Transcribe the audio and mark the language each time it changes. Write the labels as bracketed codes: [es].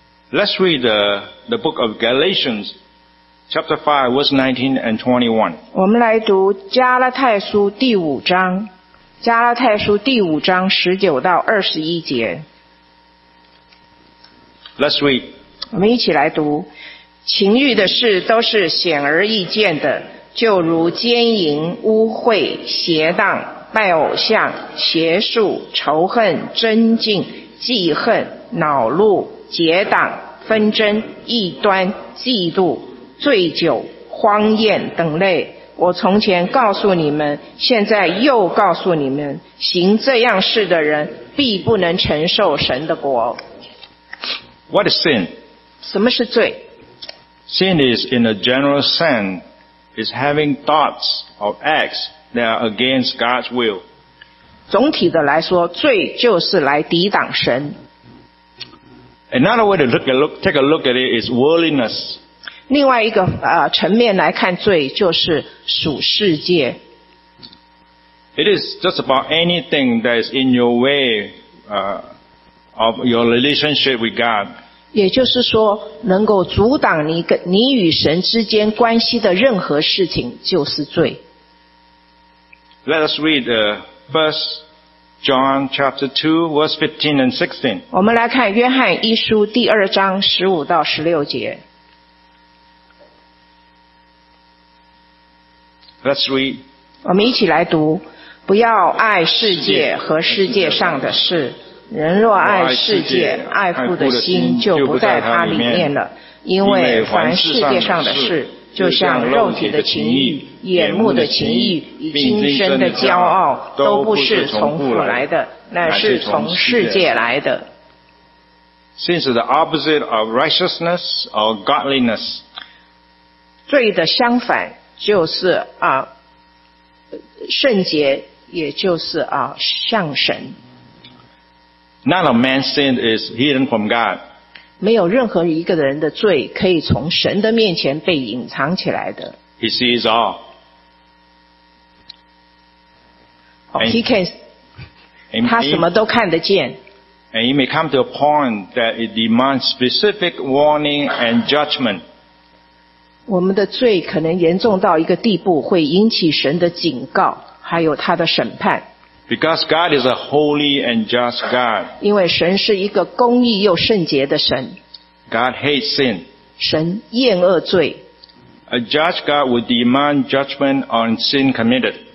[en] Let's read the book of Galatians, chapter 5, verse 19 and 21. [zh] 我们来读加拉太书第五章，加拉太书第五章十九到二十一节。 [en] Let's read. [zh] 我们一起来读。情欲的事都是显而易见的，就如奸淫、污秽、邪荡、拜偶像、邪术、仇恨、真竞、记恨、恼怒、结党、纷争、异端、嫉妒、醉酒、荒宴等类。我从前告诉你们，现在又告诉你们，行这样事的人必不能承受神的国。 [en] What is sin? [zh] 什么是罪？ [en] Sin is, in a general sense, is having thoughts or acts that are against God's will. [zh] 总体的来说，罪就是来抵挡神。 [en] Another way to take a look at it is worldliness. [zh] 另外一个层面来看罪，就是属世界。 [en] It is just about anything that is in your way of your relationship with God. [zh] 也就是说能够阻挡 你与神之间关系的任何事情就是罪。 [en] Let us read first John chapter 2 verse 15 and 16. [zh] 我们来看约翰一书第二章15到16节。 [en] Let's read. [zh] 我们一起来读。不要爱世界和世界上的事。人若爱世界，爱父的心就不在他里面了。因为凡世界上的事，就像肉体的情欲、眼目的情欲、今生的骄傲，都不是从父来的，乃是从世界来的。 [en] Since the opposite of righteousness or godliness, [zh] 罪的相反就是啊，圣洁，也就是啊，像神。 [en] None of man's sin is hidden from God. [zh] 没有任何一个人的罪可以从神的面前被隐藏起来的。 [en] He sees all. He can. [zh] 他什么都看得见。 [en] And he may come to a point that it demands specific warning and judgment. [zh] 我们的罪可能严重到一个地步，会引起神的警告，还有他的审判。 [en] Because God is a holy and just God. [zh] 因为神是一个公义又圣洁的神。 [en] God hates sin. [zh] 神厌恶罪。 [en] A just God would demand judgment on sin committed.